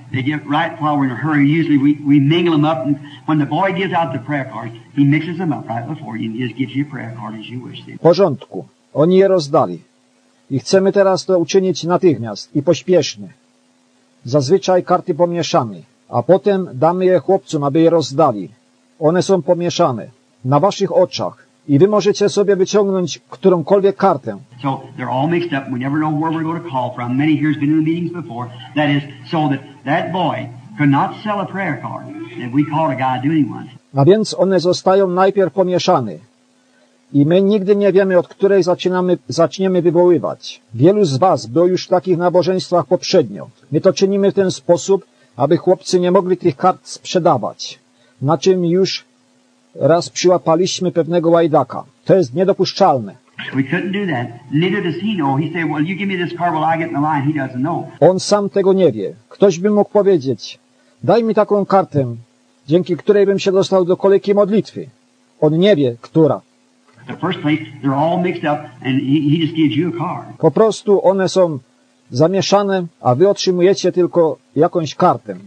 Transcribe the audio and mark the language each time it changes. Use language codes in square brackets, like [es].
[en] They get right while we're in a hurry. Usually we mingle them up, and when the boy gives out the prayer cards, he mixes them up right before you and just gives you a prayer card as you wish. [pl] W porządku. Oni je rozdali. I chcemy teraz to uczynić natychmiast i pośpiesznie. Zazwyczaj karty pomieszamy, a potem damy je chłopcom, aby je rozdali. One są pomieszane na waszych oczach i wy możecie sobie wyciągnąć którąkolwiek kartę. [en] So they're all mixed up. We never know where we're going to call from. Many here's been in the meetings before. That is so that that boy could not sell a prayer card. And we called a guy doing one. [pl] A więc one zostają najpierw pomieszane. I my nigdy nie wiemy, od której zaczniemy wywoływać. Wielu z was było już w takich nabożeństwach poprzednio. My to czynimy w ten sposób, aby chłopcy nie mogli tych kart sprzedawać. Na czym już raz przyłapaliśmy pewnego łajdaka. To jest niedopuszczalne. [en] We couldn't do that. Neither does he know. He said, well, you give me this card, well, I get in the line. He doesn't know. [pl] On sam tego nie wie. Ktoś by mógł powiedzieć, daj mi taką kartę, dzięki której bym się dostał do kolejki modlitwy. On nie wie, która. [en] The first place, they're all mixed up, and he just gives you a card. [pl] Po prostu one są zamieszane, a wy otrzymujecie tylko jakąś kartę.